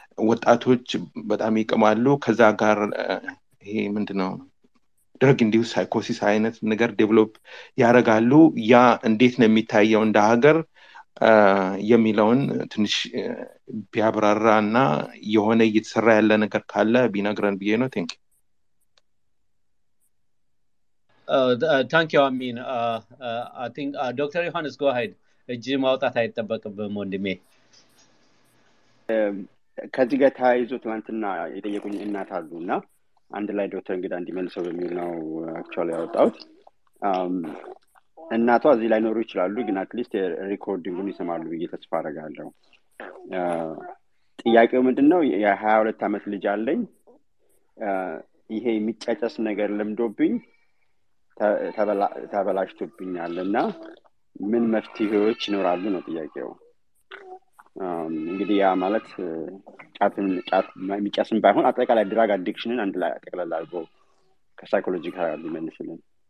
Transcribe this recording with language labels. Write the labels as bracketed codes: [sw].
[am] ወጣቶች በጣም ይቀማሉ ከዛ ጋር ይሄ ምንድነው ድረግ ኢንዲዩስ ሳይኮሲስ አይነት ነገር ዴቨሎፕ ያረጋሉ ያ እንዴት ነው የሚታየው እንደ ሀገር የሚለውን ትንሽ ቢያብራራና የሆነ እየተሰራ ያለ ነገር ካለ ቢነግረን ብዬ ነው ቲንክ [en] thank you Amin I think Dr. Johannes go ahead [am] እጅም አውጣት አይጠበቅብም ወንድሜ ከዚህ ጋር ታይዞ ትላንትና የጠየቁኝ እናት አሉ እና አንድ ላይ ዶክተር እንግዳ እንዲመልሰው በሚል ነው አክቹዋሊ ያወጣሁት እናቷ እዚህ ላይ ኖሩ ይችላሉ ግን አትሊስት ሪኮርዲንጉን ይሰማሉ ብዬ ተስፋ አደርጋለሁ ጥያቄው ምንድን ነው የ22 ዓመት ልጅ አለኝ ይሄ የሚጫጫስ ነገር ልምዶብኝ ተበላሽቶብኛል እና ምን መፍትሄዎች ይኖራሉ ነው ጥያቄው እንግዲህ ያ ማለት ጫት የሚጫስም ባይሆን አጠቃላይ ድራግ አዲክሽንን አንድ ላይ አጠቃላይ አድርጎ ከሳይኮሎጂ ጋር ሊመንስልን